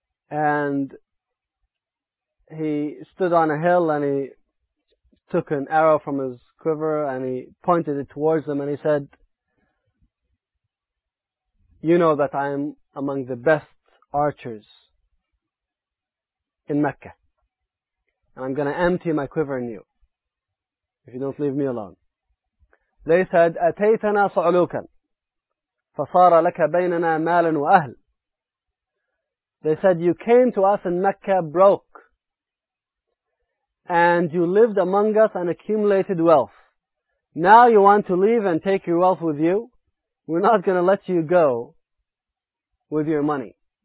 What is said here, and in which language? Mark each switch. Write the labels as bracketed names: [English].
[English] And he stood on a hill, and he took an arrow from his quiver and he pointed it towards them and he said, you know that I am among the best archers in Mecca, and I'm going to empty my quiver in you if you don't leave me alone. They said, [Arabic] أَتَيْتَنَا صُعُلُوكًا فَصَارَ لَكَ بَيْنَنَا مَالٌ وَأَهْلٌ. [English] They said, you came to us in Mecca broke, and you lived among us and accumulated wealth. Now you want to leave and take your wealth with you? We're not going to let you go with your money.